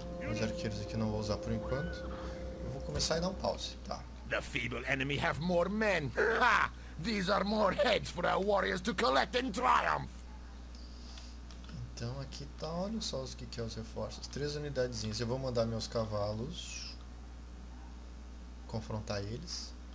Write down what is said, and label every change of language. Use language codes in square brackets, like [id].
[pt] Os arqueiros aqui não vou usar por enquanto. Eu vou começar e dar um pause, tá? [en] The feeble enemy have more men. Ha! These are more heads for our warriors to collect in triumph. [pt] Então aqui tá, olha só os que é os reforços. Três unidadezinhas. Eu vou mandar meus cavalos confrontar eles.